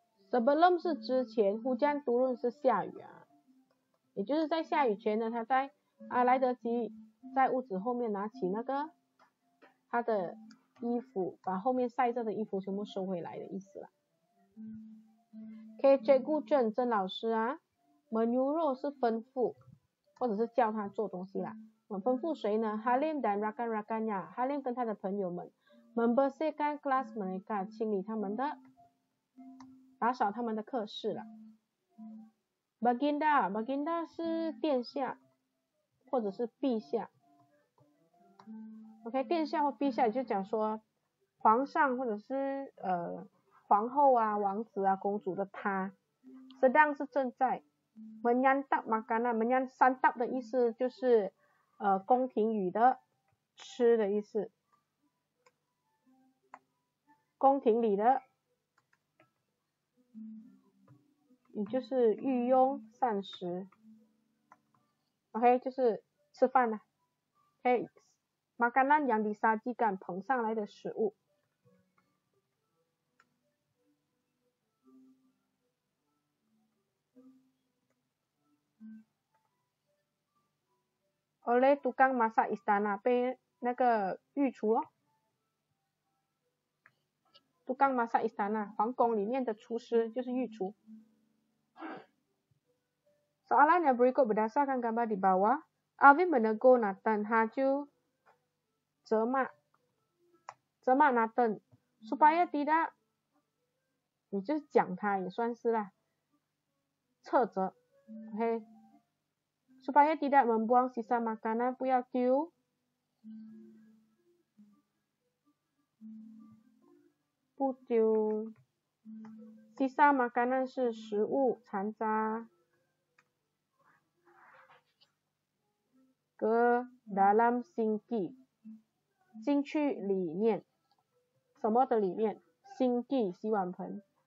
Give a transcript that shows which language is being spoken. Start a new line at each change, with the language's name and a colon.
Chinese: Sebelum 是之前 ，
Malay: hujan turun
Chinese: 是下雨啊，也就是在下雨前呢，他在啊来得及在屋子后面拿起那个他的衣服，把后面晒着的衣服全部收回来的意思啦。 K J Gu Zhen 郑老师啊 ，Menyuruh 是吩咐或者是叫他做东西啦。吩咐谁呢 ？
Malay: Halim dan Rakan Rakannya，
Chinese: Halim 跟他的朋友们 ，
Malay: membersihkan kelas mereka，
Chinese: 清理他们的。打扫他们的课室了。 Baginda 是殿下或者是陛下。 OK， 殿下或陛下就讲说皇上或者是皇后啊、王子啊、公主的他。 Sedang 是正在。
Malay: Menyantap makana，
Chinese: menyantap 的意思就是宫廷语的吃的意思。宫廷里的。也就是御用膳食 ，OK， 就是吃饭啦。 OK，
Malay: makanan yang disajikan
Chinese: 捧上来的食物。
Malay: Oleh tukang masak istana
Chinese: 被那个御厨哦。
Malay: tukang masak istana
Chinese: 皇宫里面的厨师就是御厨。
Malay: Soalan yang berikut berdasarkan gambar di bawah, Alvin menegur Nathan, haju cemak Nathan, supaya tidak,
Chinese: 你就是讲他也算是啦，斥责
Malay: ，OK， supaya tidak membuang sisa makanan，
Chinese: 不要丢，不丢
Malay: ，sisa makanan
Chinese: 是食物残渣。 ke dalam sinki，进去里面，什么的里面 ？C 新地洗碗盆。